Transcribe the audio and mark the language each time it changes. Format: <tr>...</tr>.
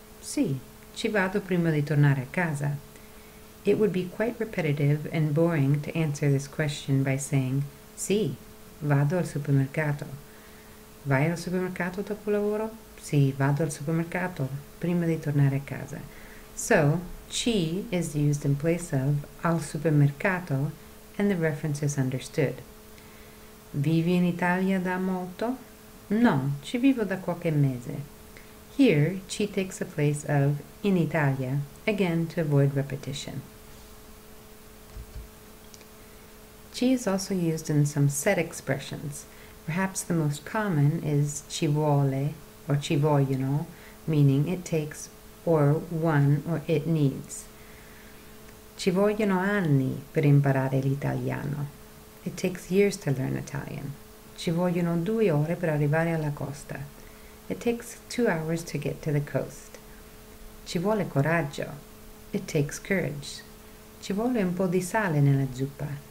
<it>Sì, ci vado prima di tornare a casa.</it> <en>It would be quite repetitive and boring to answer this question by saying,</en> <it>sì, vado al supermercato. Vai al supermercato dopo lavoro? Sì, vado al supermercato prima di tornare a casa.</it> <en>So, ci is used in place of al supermercato and the reference is understood.</en> <it>Vivi in Italia da molto? No, ci vivo da qualche mese.</it> <en>Here, ci takes the place of in Italia, again to avoid repetition. Ci is also used in some set expressions. Perhaps the most common is ci vuole or ci vogliono, meaning it takes or one or it needs.</en> <it>Ci vogliono anni per imparare l'italiano.</it> <en>It takes years to learn Italian.</en> <it>Ci vogliono 2 ore per arrivare alla costa.</it> <en>It takes 2 hours to get to the coast.</en> <it>Ci vuole coraggio.</it> <en>It takes courage.</en> <it>Ci vuole un po' di sale nella zuppa.</it>